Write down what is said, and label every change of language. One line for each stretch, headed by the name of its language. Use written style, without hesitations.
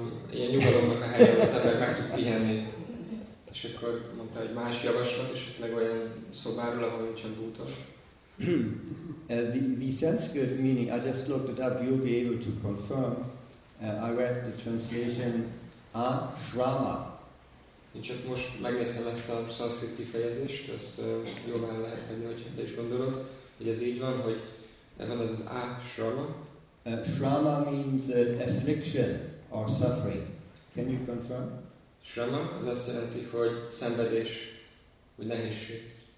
Hungarian: Ilyen nyugalomnak a helyen az ember meg tud pihenni. És akkor mondta, hogy más javaslat, és meg olyan szobáról, ahol nincsen bútor.
English: The Sanskrit meaning, I just looked it up, you'll be able to confirm. I read the translation ashrama.
Hungarian: Én csak most megnéztem ezt a szanszkrit kifejezést, ezt jóval lehet hagyni, hogy te is gondolod, hogy ez így van, hogy ebben az ashrama.
English: Shrama means affliction or suffering. Can you confirm?
Hungarian: Shrama, az azt jelenti, hogy szenvedés, vagy nehézség.